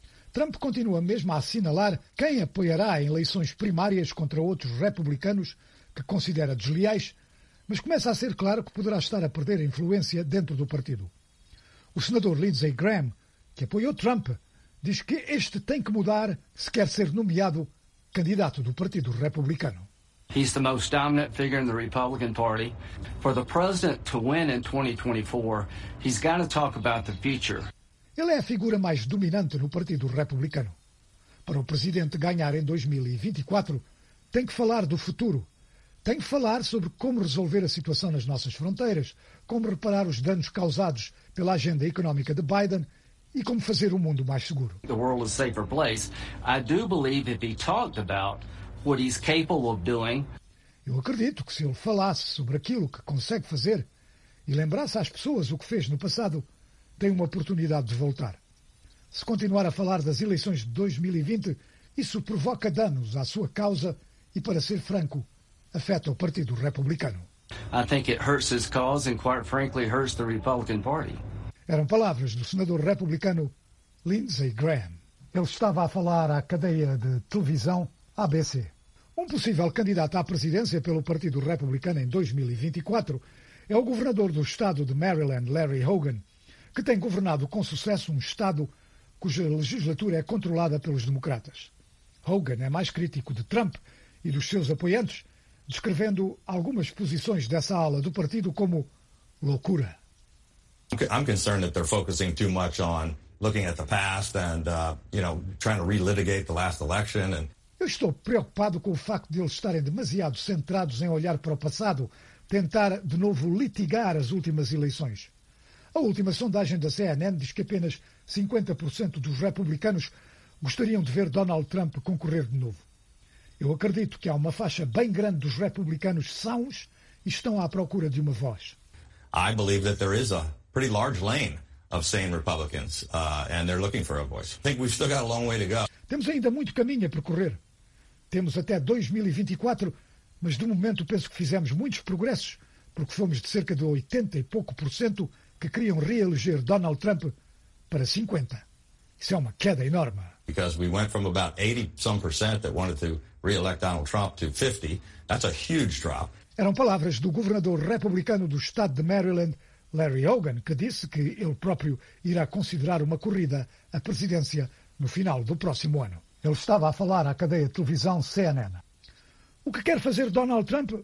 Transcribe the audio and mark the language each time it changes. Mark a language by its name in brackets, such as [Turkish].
[Portuguese] Trump continua mesmo a assinalar quem apoiará em eleições primárias contra outros republicanos que considera desleais, mas começa a ser claro que poderá estar a perder influência dentro do partido. O senador Lindsey Graham, que apoiou Trump, diz que este tem que mudar se quer ser nomeado candidato do Partido Republicano. [English] He's the most dominant figure in the Republican Party. For the president to win in 2024, he's got to talk about the future. [Portuguese] Ele é a figura mais dominante no Partido Republicano. Para o presidente ganhar em 2024, tem que falar do futuro. Tem que falar sobre como resolver a situação nas nossas fronteiras, como reparar os danos causados pela agenda económica de Biden e como fazer o mundo mais seguro. [English] The world is a safer place. I do believe if he talked about what he's capable of doing. [Portuguese] Eu acredito que se ele falasse sobre aquilo que consegue fazer e lembrasse às pessoas o que fez no passado, tem uma oportunidade de voltar. Se continuar a falar das eleições de 2020, isso provoca danos à sua causa e, para ser franco, afeta o Partido Republicano. [English] I think it hurts his cause and quite frankly hurts the Republican Party. [Portuguese] Eram palavras do senador republicano Lindsey Graham. Ele estava a falar à cadeia de televisão ABC. Um possível candidato à presidência pelo Partido Republicano em 2024 é o governador do estado de Maryland, Larry Hogan, que tem governado com sucesso um estado cuja legislatura é controlada pelos democratas. Hogan é mais crítico de Trump e dos seus apoiantes, descrevendo algumas posições dessa ala do partido como loucura. [English] I'm concerned that they're focusing too much on looking at the past and, trying to relitigate the last election. [Portuguese] Eu estou preocupado com o facto de eles estarem demasiado centrados em olhar para o passado, tentar de novo litigar as últimas eleições. A última sondagem da CNN diz que apenas 50% dos republicanos gostariam de ver Donald Trump concorrer de novo. Eu acredito que há uma faixa bem grande dos republicanos sãos e estão à procura de uma voz. [English] I believe that there is a pretty large lane of sane Republicans, and they're looking for a voice. I think we've still got a long way to go. [Portuguese] Temos ainda muito caminho a percorrer. Temos até 2024, mas de momento penso que fizemos muitos progressos, porque fomos de cerca de 80 e pouco por cento que queriam reeleger Donald Trump para 50. Isso é uma queda enorme. [English] Because we went from about 80 some percent that wanted to reelect Donald Trump to 50. That's a huge drop. [Portuguese] Eram palavras do governador republicano do estado de Maryland, Larry Hogan, que disse que ele próprio irá considerar uma corrida à presidência no final do próximo ano. Ele estava a falar à cadeia de televisão CNN. O que quer fazer Donald Trump?